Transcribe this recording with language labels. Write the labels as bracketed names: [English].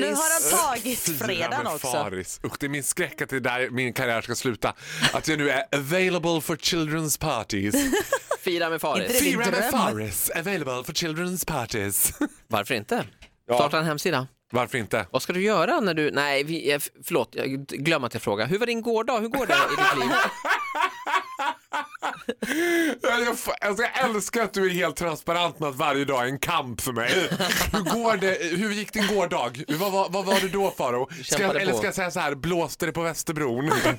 [Swedish] Nu har han tagit fredag också. Faris. Och det är min skräck att det är där min karriär ska sluta. Att jag nu är [English] available for children's parties. [Swedish] Fira med Faris. Fira med Faris. [English] Available for children's parties. [Swedish] Varför inte? Starta en hemsida. Varför inte? Vad ska du göra när du... Nej, förlåt. Jag glömde att jag frågade. Hur var din gårdag? Hur går det i ditt liv? Jag älskar att du är helt transparent med att varje dag är en kamp för mig. Hur går det? Hur gick din gårdag? Vad var det då, Faro? Ska jag säga så här, blåste det på Västerbron?